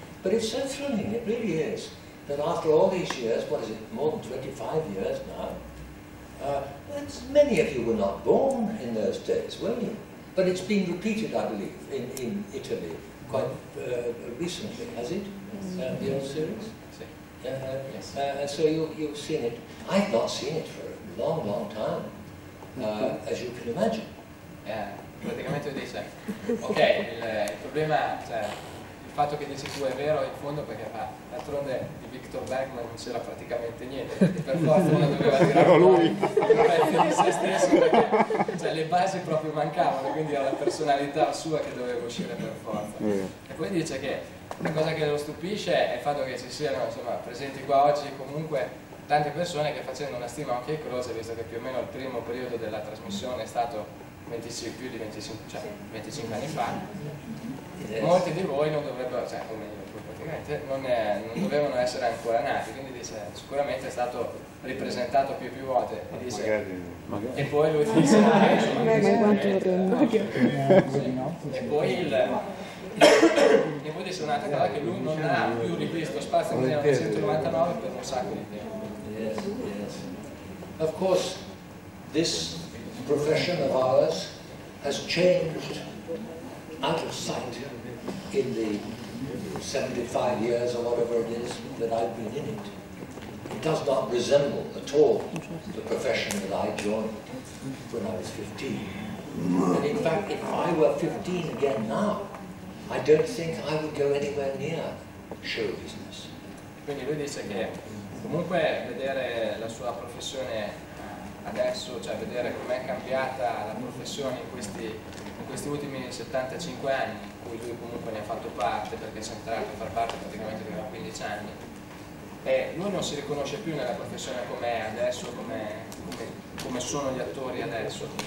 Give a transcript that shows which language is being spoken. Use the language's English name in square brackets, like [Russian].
[English] But it's so thrilling, it really is, that after all these years, what is it, more than 25 years now, many of you were not born in those days, were you? But it's been repeated, I believe, in Italy quite recently, has it? Yes. The old series? Yes. So you've seen it. I've not seen it for a long, long time, as you can imagine. Yeah. [Italian] Praticamente dice, ok, il problema, cioè, il fatto che dici tu è vero in fondo, perché d'altronde di Victor Bergman non c'era praticamente niente, per forza uno doveva tirare lui un pezzo di se stesso, perché cioè, le basi proprio mancavano, quindi era la personalità sua che doveva uscire per forza. E poi dice che la cosa che lo stupisce è il fatto che ci siano, insomma, presenti qua oggi comunque tante persone che, facendo una stima anche close, visto che più o meno il primo periodo della trasmissione è stato 25, più di 25, cioè 25 anni fa, molti di voi non dovrebbero, cioè come io, praticamente, non dovevano essere ancora nati, quindi dice, sicuramente è stato ripresentato più e più volte, e dice, magari. E poi lui dice, e poi e poi dice un'altra cosa, che lui non ha più rivisto spazio nel 1999 per un sacco di tempo. [English] Of course, this profession of ours has changed out of sight in the 75 years or whatever it is that I've been in it. It does not resemble at all the profession that I joined when I was 15. And in fact, if I were 15 again now, I don't think I would go anywhere near show business. [Italian] Quindi lui dice che comunque vedere la sua professione adesso, cioè vedere com'è cambiata la professione in questi ultimi 75 anni, in cui lui comunque ne ha fatto parte, perché si è entrato a far parte praticamente prima 15 anni, e lui non si riconosce più nella professione com'è adesso, come sono gli attori adesso.